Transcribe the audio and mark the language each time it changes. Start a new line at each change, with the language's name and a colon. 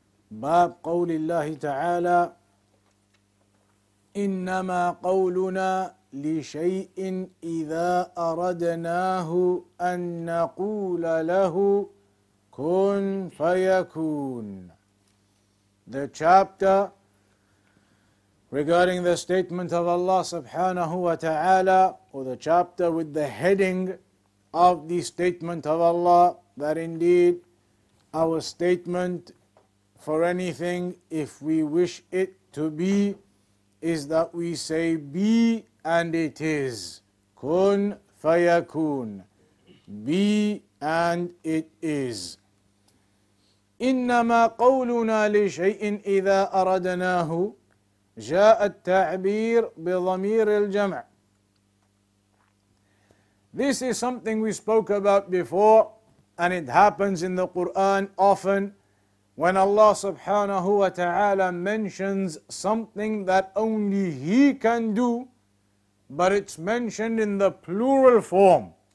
Arabic: باب قول الله تعالى إنما قولنا لشيء إذا أردناه أن نقول له كن فيكون.
English: The chapter regarding the statement of Allah subhanahu wa ta'ala, or the chapter with the heading of the statement of Allah, that indeed our statement for anything, if we wish it to be, is that we say be and it is. Kun fayakun. Be and it is.
Arabic: إنما قولنا لشيء إذا أردناه جاء التعبير بضمير الجمع.
English: This is something we spoke about before, and it happens in the Quran often when Allah subhanahu wa ta'ala mentions something that only He can do, but it's mentioned in the plural form.